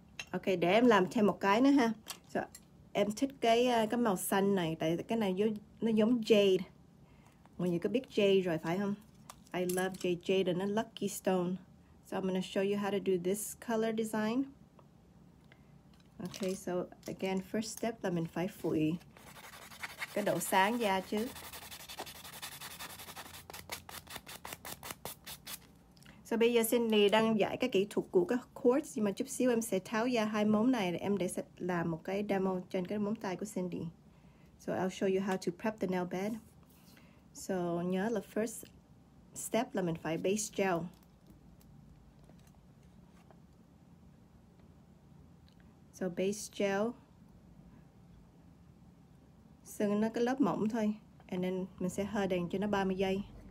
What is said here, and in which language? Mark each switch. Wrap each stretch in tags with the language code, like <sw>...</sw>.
<vi>Okay, để em làm thêm một cái nữa ha. So, em thích cái màu xanh này, tại cái này nó giống jade. Mọi người có biết jade rồi phải không?</vi> <en>I love jade. Jade and a lucky stone. So I'm gonna show you how to do this color design.</en> <vi>Okay, so again, first step là mình phải phủi cái độ sáng da chứ. So bây giờ Cindy đang dạy cái kỹ thuật của cái quartz, nhưng mà chút xíu em sẽ tháo ra hai móng này để em để làm một cái demo trên cái móng tay của Cindy.</vi> <en>So I'll show you how to prep the nail bed.</en> <vi>So nhớ là first step là mình phải base gel.</vi> <en>So base gel.</en> <vi>Sưng nó cái lớp mỏng thôi.</vi> <en>And then</en> <vi>mình sẽ hơi đèn cho nó 30 giây.</vi>